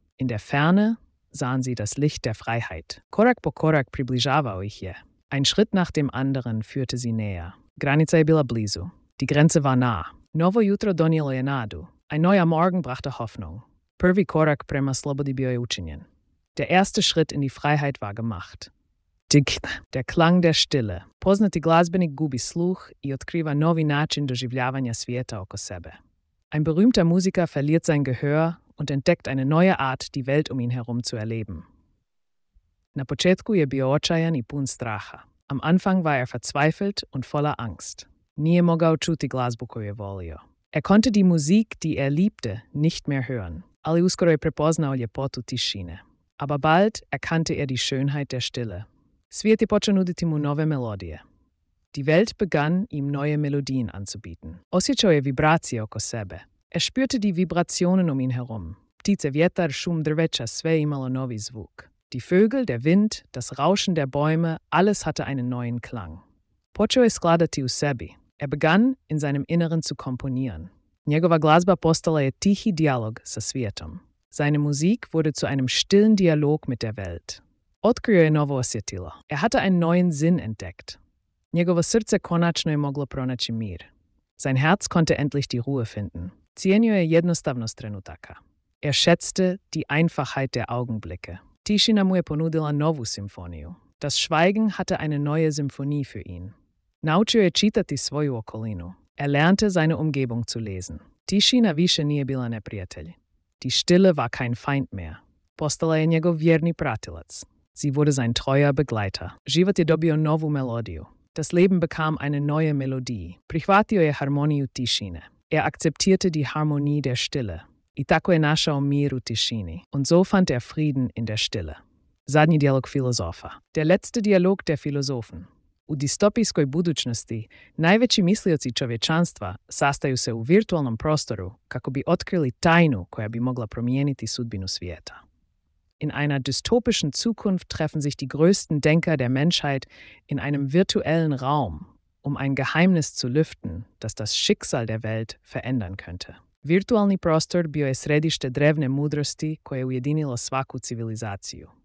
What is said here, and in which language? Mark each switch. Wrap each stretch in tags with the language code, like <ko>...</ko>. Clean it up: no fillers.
<de>In der Ferne sahen sie das Licht der Freiheit.</de> <hr>Korak po korak približava ich je.</hr> <de>Ein Schritt nach dem anderen führte sie näher.</de> <hr>Granica je bila blizu.</hr> <de>Die Grenze war nah.</de> <hr>Novo jutro donijelo je nadu.</hr> <de>Ein neuer Morgen brachte Hoffnung.</de> <hr>Prvi korak prema slobodi bio je učinjen.</hr> <de>Der erste Schritt in die Freiheit war gemacht. Der Klang der Stille.</de> <hr>Poznati glazbenik gubi sluh i otkriva novi način doživljavanja svijeta oko sebe.</hr> <de>Ein berühmter Musiker verliert sein Gehör und entdeckt eine neue Art, die Welt um ihn herum zu erleben.</de> <hr>Na početku je bio očajan i pun straha.</hr> <de>Am Anfang war er verzweifelt und voller Angst.</de> <hr>Nije mogao čuti glazbu koju je volio.</hr> <de>Er konnte die Musik, die er liebte, nicht mehr hören.</de> <hr>Ali uskoro je prepoznao ljepotu tišine.</hr> <de>Aber bald erkannte er die Schönheit der Stille.</de> <hr>Svijet je počeo nuditi mu nove melodije.</hr> <de>Die Welt begann, ihm neue Melodien anzubieten.</de> <hr>Osjećao je vibracije oko sebe.</hr> <de>Er spürte die Vibrationen um ihn herum.</de> <hr>Ptice, vjetar, šum, drveća, sve imalo novi zvuk.</hr> <de>Die Vögel, der Wind, das Rauschen der Bäume, alles hatte einen neuen Klang.</de> <hr>Počeo je skladati u sebi.</hr> <de>Er begann, in seinem Inneren zu komponieren.</de> <hr>Njegova glazba postala je tihi dialog sa svijetom.</hr> <de>Seine Musik wurde zu einem stillen Dialog mit der Welt.</de> <hr>Otkrio je novo osjetilo.</hr> <de>Er hatte einen neuen Sinn entdeckt.</de> <hr>Njegovo srce konačno je moglo pronaći mir.</hr> <de>Sein Herz konnte endlich die Ruhe finden.</de> <hr>Cijenio je jednostavnost trenutaka.</hr> <de>Er schätzte die Einfachheit der Augenblicke.</de> <hr>Tišina mu je ponudila novu simfoniju.</hr> <de>Das Schweigen hatte eine neue Symphonie für ihn.</de> <hr>Naučio je čitati svoju okolinu.</hr> <de>Er lernte seine Umgebung zu lesen.</de> <hr>Tišina više nije bila neprijatelj.</hr> <de>Die Stille war kein Feind mehr.</de> <hr>Postala je njegov vjerni pratilac.</hr> <de>Sie wurde sein treuer Begleiter.</de> <hr>Život je dobio novu melodiju.</hr> <de>Das Leben bekam eine neue Melodie.</de> <hr>Prihvatio je harmoniju tišine.</hr> <de>Er akzeptierte die Harmonie der Stille.</de> <hr>I tako je našao mir u tišini.</hr> <de>Und so fand er Frieden in der Stille.</de> <hr>Zadnji dialog filozofa.</hr> <de>Der letzte Dialog der Philosophen.</de> <hr>U distopijskoj budućnosti, najveći mislioci čovječanstva sastaju se u virtualnom prostoru kako bi otkrili tajnu koja bi mogla promijeniti sudbinu svijeta.</hr> <de>In einer dystopischen Zukunft treffen sich die größten Denker der Menschheit in einem virtuellen Raum, um ein Geheimnis zu lüften, das das Schicksal der Welt verändern könnte.</de> <hr>Virtualni prostor bio je središte drevne mudrosti koje ujedinilo svaku civilizaciju.</hr>